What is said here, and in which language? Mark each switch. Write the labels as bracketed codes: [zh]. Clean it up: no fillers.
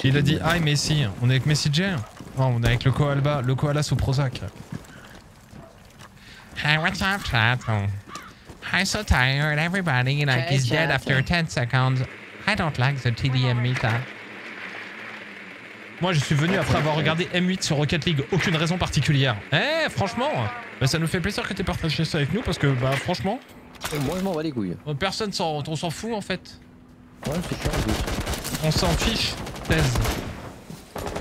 [fr] Il a dit hi Messi, on est avec Messi J. Non, on est avec le Koala, le Koala sous Prozac. [en] Hi, what's up, chat? I'm so tired, everybody, like hey, he's dead after 10 seconds. I don't like the TDM meta. [fr] Moi, je suis venu après avoir regardé M8 sur Rocket League, aucune raison particulière. Eh, hey, franchement, bah, ça nous fait plaisir que t'aies partagé ça avec nous parce que, bah, franchement. Moi, je m'en bats les couilles. Personne s'en. On s'en fout en fait. Ouais, c'est chiant, en plus. On s'en fiche, thèse.